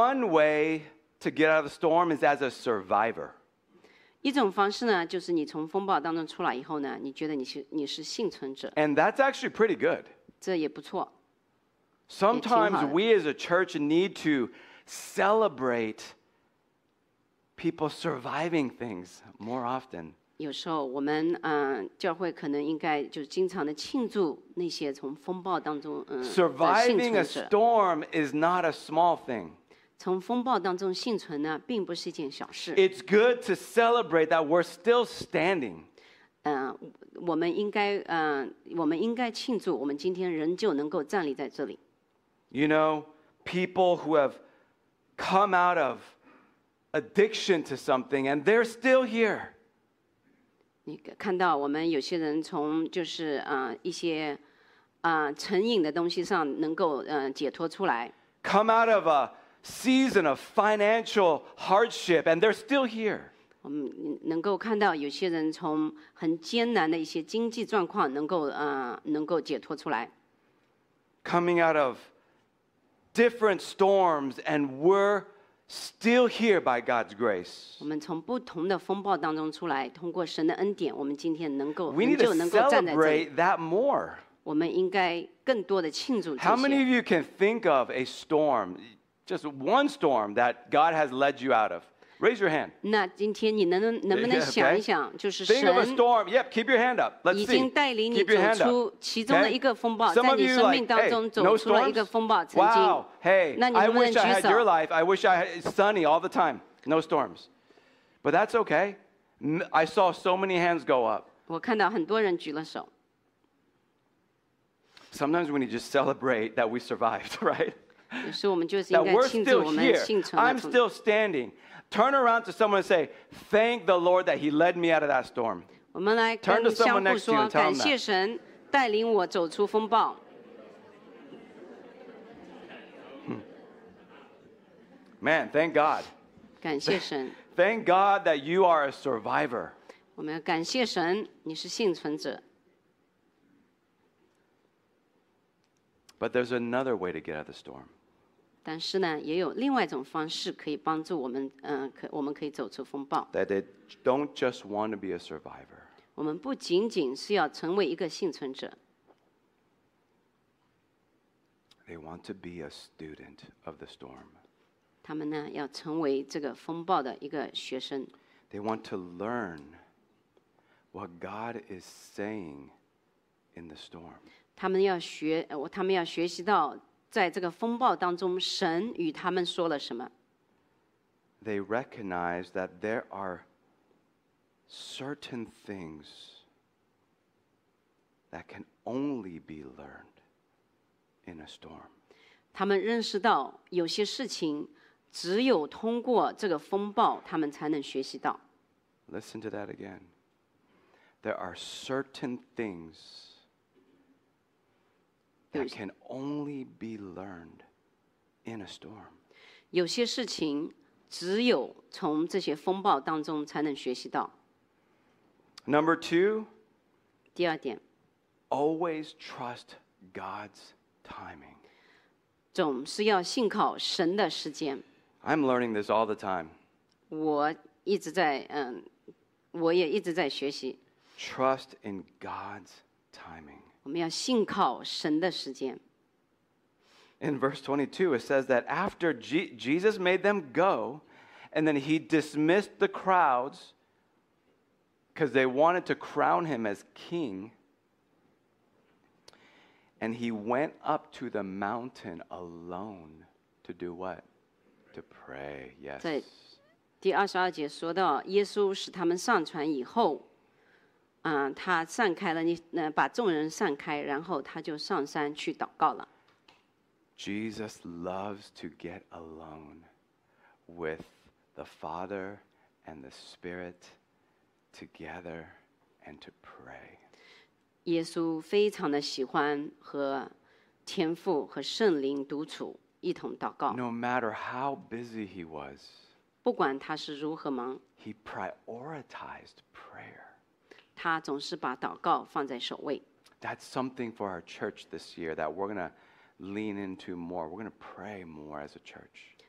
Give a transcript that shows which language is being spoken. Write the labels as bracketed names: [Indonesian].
[English] way to get out of the storm is as a survivor. [Chinese] 一种方式呢，就是你从风暴当中出来以后呢，你觉得你是幸存者。 [English] And that's actually pretty good. [Chinese] 这也不错。 [English] Sometimes we as a church need to celebrate people surviving things more often. [Chinese] 有时候我们教会可能应该就经常的庆祝那些从风暴当中幸存者。 [English] Surviving a storm is not a small thing. [Chinese] 从风暴当中幸存呢，并不是一件小事。 [English] It's good to celebrate that we're still standing. [Chinese] 我们应该庆祝，我们今天仍旧能够站立在这里。 [English] You know, people who have come out of addiction to something and they're still here. [Chinese] 你看到我们有些人从就是一些成瘾的东西上能够解脱出来。 [English] Come out of a season of financial hardship, and they're still here. [Chinese] 我们能够看到有些人从很艰难的一些经济状况能够解脱出来。 [English] Coming out of different storms, and we're still here by God's grace. [Chinese] 我们从不同的风暴当中出来，通过神的恩典，我们今天能够很久能够站在这里。 [English] We need to celebrate that more. [Chinese] 我们应该更多的庆祝这些。 [English] How many of you can think of a storm? Just one storm that God has led you out of. Raise your hand. [Chinese] 那今天你能不能想一想，就是神 [English] Think of a storm. Yep, keep your hand up. Let's see. [Chinese] 已经带领你走出其中的一个风暴，在你生命当中走出了一个风暴。曾经， wow, hey, 那你能不能举手 [English] I wish I had your life. I wish I had sunny all the time. No storms. But that's okay. I saw so many hands go up. [Chinese] 我看到很多人举了手。 [English] Sometimes we need to just celebrate that we survived, right? That we're still here. I'm still standing. Turn around to someone and say, "Thank the Lord that He led me out of that storm." Turn to someone next to you and tell them that. [Chinese] 带领我走出风暴。 [English] Man, thank God. [Chinese] 感谢神。 [English] Thank God that you are a survivor. [Chinese] 我们要感谢神，你是幸存者。 [English] But there's another way to get out of the storm. [Chinese] 但是呢，也有另外一种方式可以帮助我们，我们可以走出风暴。 [English] That they don't just want to be a survivor. [Chinese] 我们不仅仅是要成为一个幸存者。 [English] They want to be a student of the storm. [Chinese] 他们呢，要成为这个风暴的一个学生。 [English] They want to learn what God is saying in the storm. [Chinese] 他们要学习到。在这个风暴当中，神与他们说了什么？ [English] They recognize that there are certain things that can only be learned in a storm. [Chinese] 他们认识到有些事情只有通过这个风暴他们才能学习到。 [English] Listen to that again. There are certain things. That can only be learned in a storm. [Chinese] 有些事情只有从这些风暴当中才能学习到。 [English] Number two. [Chinese] 第二点。 [English] Always trust God's timing. [Chinese] 总是要信靠神的时间。 [English] I'm learning this all the time. [Chinese] 我一直在我也一直在学习。 [English] Trust in God's timing. [Chinese] 我们要信靠神的时间。 [English] In verse 22, it says that after Jesus made them go, and then he dismissed the crowds because they wanted to crown him as king, and he went up to the mountain alone to do what? To pray. Yes. [Chinese] 在第二十二节说到，耶稣使他们上船以后。他散开了把众人散开，然后他就上山去祷告了。 [English] Jesus loves to get alone with the Father and the Spirit together and to pray. [Chinese] 耶稣非常的喜欢和天父和圣灵独处，一同祷告。 [English] No matter how busy he was, [Chinese] 不管他是如何忙 [English] he prioritized prayer. [Chinese] 他总是把祷告放在首位。 [English] That's something for our church this year that we're going to lean into more. We're going to pray more as a church.